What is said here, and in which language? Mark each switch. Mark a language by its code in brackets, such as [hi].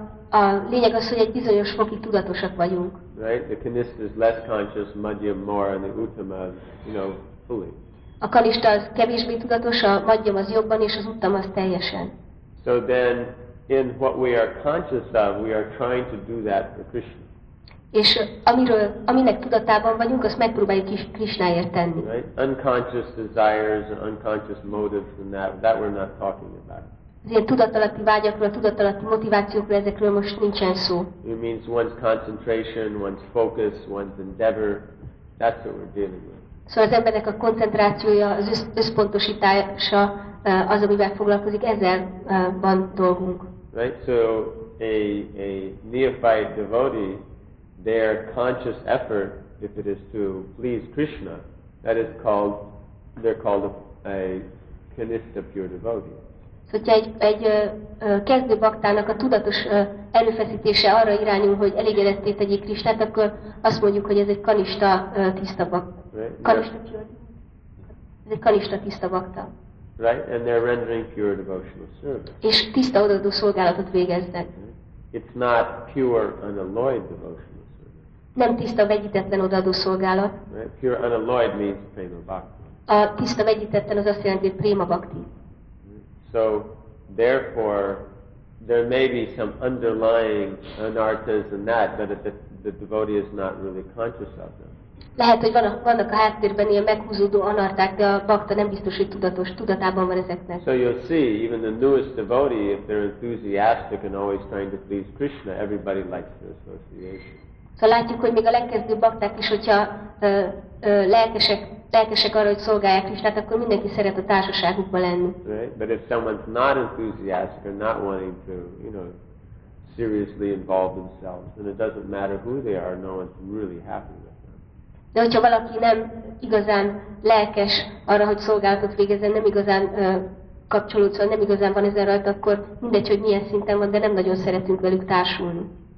[hu] A lényeg az, hogy egy bizonyos fokig tudatosak vagyunk. [en] Right, the kanista is less conscious, madhya more, and the uttama, you know, fully. [hu] A kanista az kevésbé tudatos, a madhyam az jobban, és az uttama az teljesen. [en] So then, in what we are conscious of, we are trying to do that for Krishna. [hu] És aminek tudatában vagyunk, azt megpróbáljuk is Krishnáért tenni. [en] Right, unconscious desires, unconscious motives, and that we're not talking about. [hu] Az ilyen tudatalatti vágyakról, tudatalatti motivációkról, ezekről most nincsen szó. [en] It means one's concentration, one's focus, one's endeavor. That's what we're dealing with. [hu] Szóval az embernek a koncentrációja, az összpontosítása, az, amivel foglalkozik, ezzel van dolgunk. [en] Right, so a neophyte devotee, their conscious effort, if it is to please Krishna, that is called, they're called a kanista pure devotee. [hu] Hogyha egy kezdő baktának a tudatos erőfeszítése arra irányul, hogy elégedetté tegyék Krisnát, akkor azt mondjuk, hogy ez egy kanista tiszta bakta. [en] Right. [hu] Ez egy kanista tiszta bakta. [en] Right, and they're rendering pure devotional service. [hu] És tiszta odaadó szolgálatot végeznek. [en] It's not pure unalloyed devotional service. [hu] Nem tiszta vegyítetlen odaadó szolgálat. [en] Right. Pure unalloyed means prema bhakti. [hu] A tiszta vegyítetlen az azt jelenti, hogy prema bhakti. [en] So, therefore, there may be some underlying anarthas in that, but the devotee is not really conscious of them. [hu] Lehet, hogy vannak a háttérben ilyen meghúzódó anarták, de a bhakta nem biztos, hogy tudatos, tudatában van ezeknek. [en] So you'll see, even the newest devotee, if they're enthusiastic and always trying to please Krishna, everybody likes their association. [hu] Szóval látjuk, hogy még a legkezdőbb bakták is, hogyha lelkesek arra, hogy szolgálják is, tehát akkor mindenki szeret a társaságukban lenni. [en] Right? But if someone's not enthusiastic or not wanting to, you know, seriously involve themselves, then it doesn't matter who they are, no one's really happy with them. [hu] De hogyha valaki nem igazán lelkes arra, hogy szolgálatot végezzen, nem igazán kapcsolódik, szóval nem igazán van ezen rajta, akkor mindegy, hogy milyen szinten van, de nem nagyon szeretünk velük társulni.